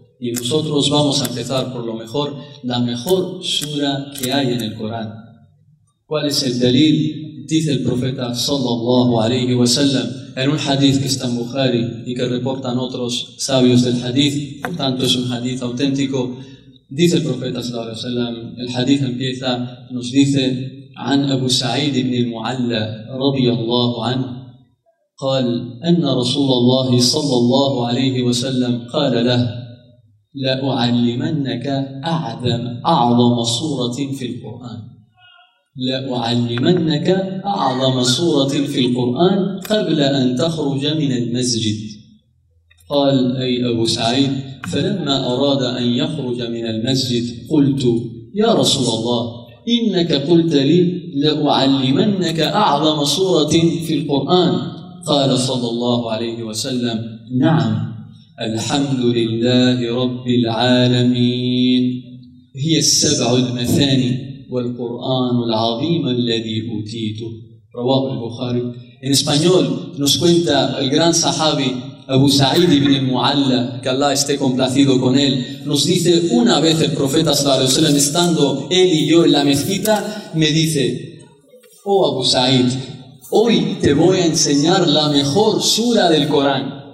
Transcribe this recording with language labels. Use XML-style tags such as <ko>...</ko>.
<es>Y nosotros vamos a empezar por lo mejor, la mejor sura que hay en el Corán. ¿Cuál es el delil? Dice el profeta sallallahu alayhi wa sallam en un hadith que está en Bukhari y que reportan otros sabios del hadith, por tanto es un hadith auténtico. Dice el profeta sallallahu alayhi wa sallam, el hadith empieza, nos dice</es> <ar>عن Abu Sa'id ibn al-Mu'alla radiyallahu anhu قال أن رسول الله صلى الله عليه وسلم قال له لأعلمنك أعظم سورة في القرآن لأعلمنك أعظم سورة في القرآن قبل أن تخرج من المسجد. قال أي أبو سعيد فلما أراد أن يخرج من المسجد قلت يا رسول الله إنك قلت لي لأعلمنك أعظم سورة في القرآن. قال صلى الله عليه وسلم نعم الحمد لله رب العالمين هي السبع المثاني والقرآن العظيم الذي أوتيته رواه البخاري.</ar> <es>En español nos cuenta el gran sahabi Abu Sa'id ibn al-Mu'alla, que Allah esté complacido con él, nos dice, una vez el profeta sallallahu alaihi wasallam estando él y yo en la mezquita, me dice, oh Abu Sa'id, hoy te voy a enseñar la mejor sura del Corán.</es>